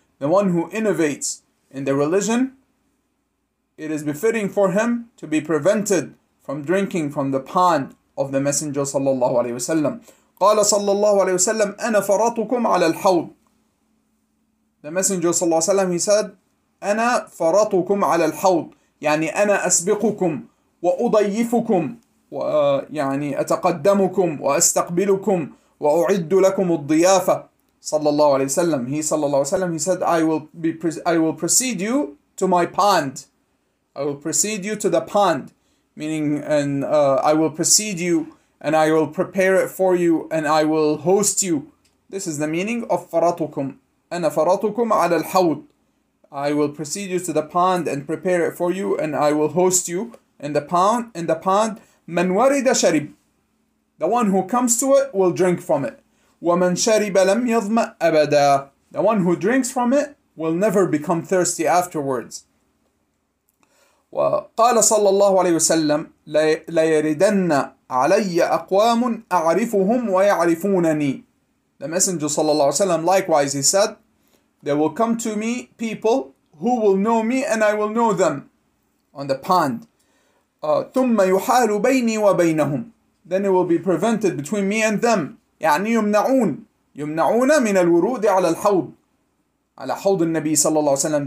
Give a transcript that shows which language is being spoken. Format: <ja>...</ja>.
<en>The one who innovates in the religion, it is befitting for him to be prevented from drinking from the pond of the Messenger</en> <ar>صلى الله عليه وسلم. قال صلى الله عليه وسلم أنا فرطكم على الحوض.</ar> <en>The Messenger</en> <ar>صلى الله عليه وسلم,</ar> <en>he said</en> <ar>أنا فرطكم على الحوض, يعني أنا أسبقكم وأضيفكم ويعني أتقدمكم وأستقبلكم وأعد لكم الضيافة صلى الله عليه وسلم.</ar> <en>He</en> <ar>صلى الله عليه وسلم,</ar> <en>he said I will precede you to my pond. I will precede you to the pond, meaning and I will precede you and I will prepare it for you and I will host you. This is the meaning of فرطكم.</en> <ar>أنا فرطكم على الحوض.</ar> <en>I will precede you to the pond and prepare it for you and I will host you in the pond. In the pond,</en> <ar>من ورد شرب.</ar> <en>The one who comes to it will drink from it.</en> <ar>وَمَنْ شَرِبَ لَمْ يَظْمَأْ أَبَدًا.</ar> <en>The one who drinks from it will never become thirsty afterwards.</en> <ar>وَقَالَ صَلَّى اللَّهُ عَلَيْهِ وَسَلَّمْ لَيَرِدَنَّ عَلَيَّ أَقْوَامٌ أَعْرِفُهُمْ وَيَعْرِفُونَنِي.</ar> <en>The Messenger</en> <ar>صلى الله عليه وسلم</ar> <en>likewise, he said, there will come to me people who will know me and I will know them on the pond.</en> <ar>ثُمَّ يُحَالُ بَيْنِي وَبَيْنَهُمْ.</ar> <en>Then it will be prevented between me and them.</en> <ar>يعني يمنعون من الورود على الحوض. على حوض النبي صلى الله عليه وسلم.</ar>